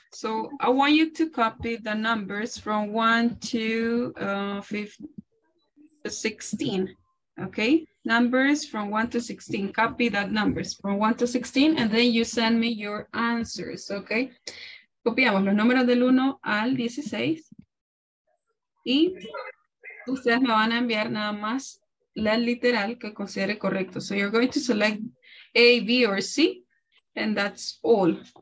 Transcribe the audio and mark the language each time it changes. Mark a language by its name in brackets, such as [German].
[English] So I want you to copy the numbers from 1 to 16, okay? Numbers from 1 to 16, copy that numbers from 1 to 16, and then you send me your answers, okay? [Spanish] Copiamos los números del 1 al 16. Y ustedes me van a enviar nada más la literal que considere correcto. [English] So you're going to select A, B, or C, and that's all.